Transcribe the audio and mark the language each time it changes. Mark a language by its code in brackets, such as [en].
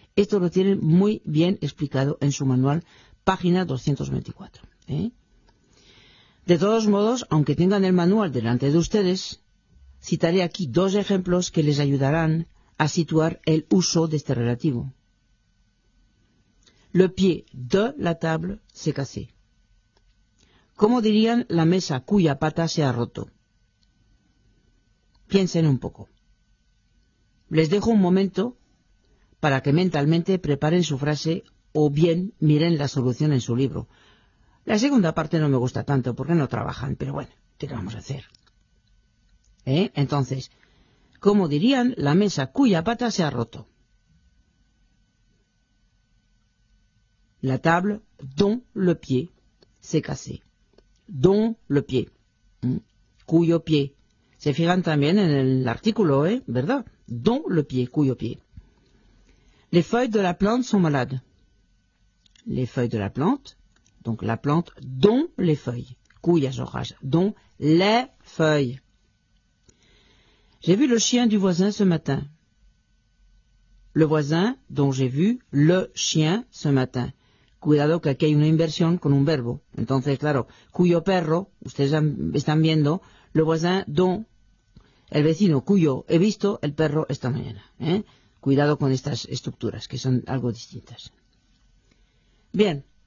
[es] Esto lo tienen muy bien explicado en su manual, página 224. De todos modos, aunque tengan el manual delante de ustedes, citaré aquí dos ejemplos que les ayudarán a situar el uso de este relativo. [fr] Le pied de la table s'est cassé. [es] ¿Cómo dirían la mesa cuya pata se ha roto? Piensen un poco. Les dejo un momento para que mentalmente preparen su frase o bien miren la solución en su libro. La segunda parte no me gusta tanto porque no trabajan, pero bueno, ¿qué le vamos a hacer? Entonces, ¿cómo dirían la mesa cuya pata se ha roto? [fr] La table dont le pied s'est cassé. Dont le pied. [es] Cuyo pie. Se fijan también en el artículo, ¿verdad? [fr] Dont le pied, [es] cuyo pie. [fr] Les feuilles de la plante sont malades. Les feuilles de la plante. Donc la plante dont les feuilles. [es] Cuyas hojas. [fr] Dont les feuilles. J'ai vu le chien du voisin ce matin. Le voisin dont j'ai vu le chien ce matin. [es] Cuidado que aquí hay una inversión con un verbo. Entonces, claro, cuyo perro, ustedes están viendo, [fr] le voisin dont, [es] el vecino cuyo he visto el perro esta mañana. Cuidado con estas estructuras, que son algo distintas. Bien.